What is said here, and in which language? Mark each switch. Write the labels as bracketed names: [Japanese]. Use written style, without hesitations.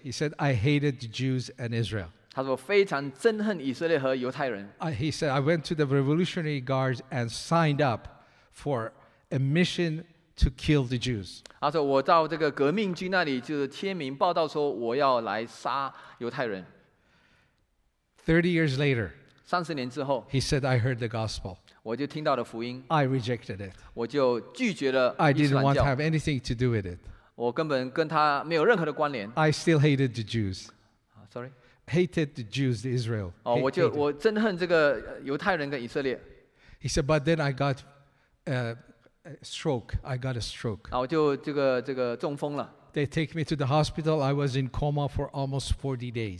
[English] He said, I hated the Jews and Israel. [Chinese] 他说非常憎恨以色列和犹太人。 [English] He said, I went to the Revolutionary Guards and signed up for a mission to kill the Jews. [Chinese] 他说我到这个革命军那里就是签名报道说我要来杀犹太人。 [English] 30 years later, [Chinese] 30年之后, [English] he said, I heard the gospel. [Chinese] 我就听到了福音, [English] I rejected it. [Chinese] 我就拒绝了伊斯兰教, [English] I didn't want to have anything to do with it. [Chinese] 我根本跟他没有任何的关联。 [English] I still hated the Jews. Sorry? Hated the Jews, the Israel. [Chinese] 我憎恨这个犹太人跟以色列。 [English] He said, but then I got a stroke. [Chinese] 我就这个中风了。 [English] They take me to the hospital. I was in coma for almost 40 days.